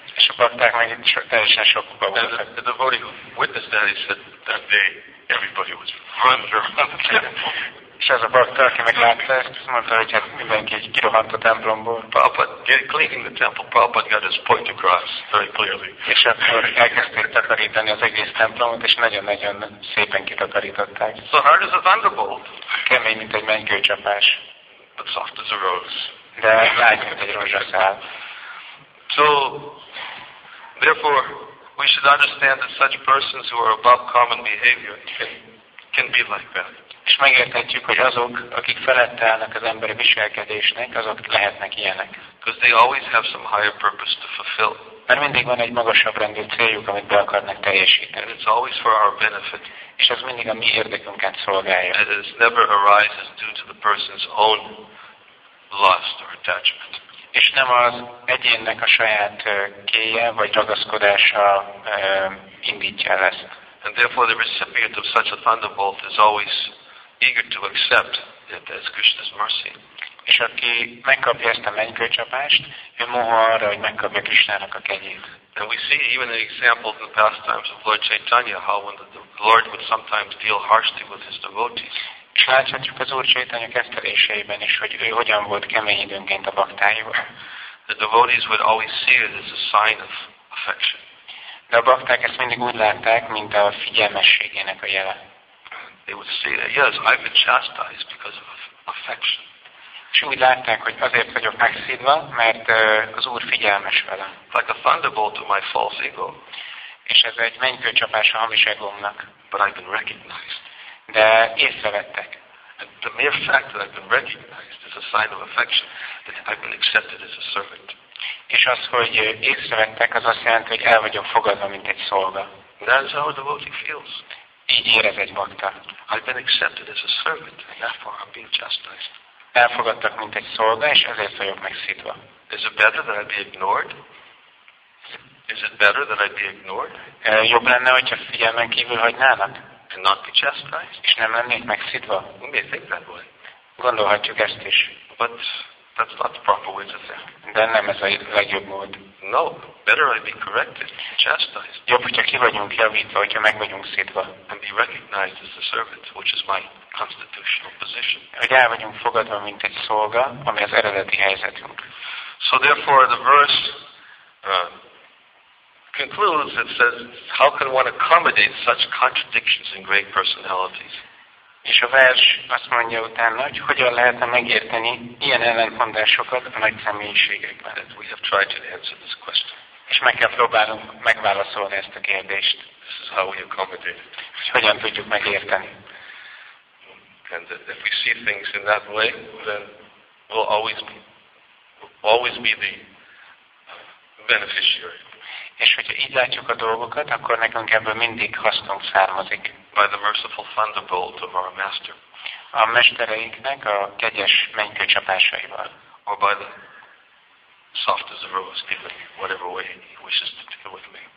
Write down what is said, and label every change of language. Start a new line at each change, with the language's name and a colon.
Hungarian: És a bakták meg teljesen sokkal voltak.
English: The devotee who witnessed that, he said that day, everybody was running around the temple.
Hungarian: És ez a bakta, aki meglátta ezt, azt mondta, hogy hát mindenki egy kirohant a templomból.
English: Prabhupada, cleaning the temple, Prabhupada got his point across very clearly.
Hungarian: És akkor elkezdték takarítani az egész templomot, és nagyon-nagyon szépen kitakarították.
English: So hard as a thunderbolt.
Hungarian: Kemény, mint egy mennykőcsapás.
English: But soft as a rose.
Hungarian: De lágy, mint egy rózsaszál.
English: So, therefore, we should understand that such persons who are above common behavior can be like that.
Hungarian: És megérthetjük, hogy azok, akik felette állnak az emberi viselkedésnek, azok lehetnek ilyenek.
English: Because they always have some higher purpose to fulfill.
Hungarian: Mert mindig van egy magasabb rendű céljuk, amit be akarnak teljesíteni.
English: And it's always for our benefit.
Hungarian: És ez mindig a mi érdekünket szolgálja.
English: And it never arises due to the person's own lust or attachment.
Hungarian: És nem az egyénnek a saját kéje vagy ragaszkodása indítja el ezt.
English: And therefore the recipient of such a thunderbolt is always eager to accept it as Krishna's mercy.
Hungarian: És aki megkapja ezt a mennykőcsapást, ő moha arra, hogy megkapja Krishnának a kegyét.
English: And we see even an example in the pastimes of Lord Chaitanya, how when the Lord would sometimes deal harshly with his devotees.
Hungarian: És láthatjuk az Úr Chaitanya kezdeléseiben is, hogy ő hogyan volt kemény időnként a baktáival.
English: The devotees would always see it as a sign of affection.
Hungarian: De a bakták ezt mindig úgy látták, mint a figyelmességének a jele.
English: They would see that, yes, I've been chastised because of affection.
Hungarian: És úgy látták, hogy azért vagyok megszívva, mert az Úr figyelmes velem.
English: Like a thunderbolt to my false ego.
Hungarian: És ez egy mennykőcsapás a hamis egómnak.
English: But I've been recognized.
Hungarian: De észrevettek.
English: And the mere fact that I've been recognized is a sign of affection, that I've been accepted as a servant.
Hungarian: És az, hogy észrevettek, az azt jelenti, hogy el vagyok fogadva, mint egy szolga.
English: That's how a devotee feels.
Hungarian: Így érez egy bakta.
English: I've been accepted as a servant, and therefore I'm being chastised.
Hungarian: Elfogadtak, mint egy szolga, és ezért vagyok megszítva.
English: Is it better that I be ignored? Is it better that I be ignored?
Hungarian: Jobb lenne, hogyha figyelmen kívül hagynának?
English: And not be chastised?
Hungarian: És nem lennék megszítva?
English: We may think that way.
Hungarian: Gondolhatjuk ezt is.
English: But that's not the proper way to think.
Hungarian: De nem ez a legjobb mód.
English: No, better I be corrected, chastised.
Hungarian: Jobb, hogyha ki vagyunk javítva, hogyha meg vagyunk szítva.
English: And be recognized as a servant, which is my constitutional position.
Hungarian: Hogy el vagyunk fogadva, mint egy szolga, ami az eredeti helyzetünk.
English: So therefore the verse concludes, it says, how can one accommodate such contradictions in great personalities?
Hungarian: És a vers azt mondja utána, hogy hogyan lehetne megérteni ilyen ellentmondásokat a nagy személyiségekben.
English: And we have tried to answer this question.
Hungarian: És meg kell próbálnunk megválaszolni ezt a kérdést.
English: This is how we accommodate it.
Hungarian: És hogyan tudjuk megérteni.
English: And if we see things in that way, then we'll always be the beneficiary.
Hungarian: És hogyha így látjuk a dolgokat, akkor nekünk ebből mindig hasznunk származik.
English: By the merciful thunderbolt of our master.
Hungarian: A mestereinknek a kegyes mennykőcsapásaival.
English: Or by the soft as a rose, given whatever way he wishes to deal with me.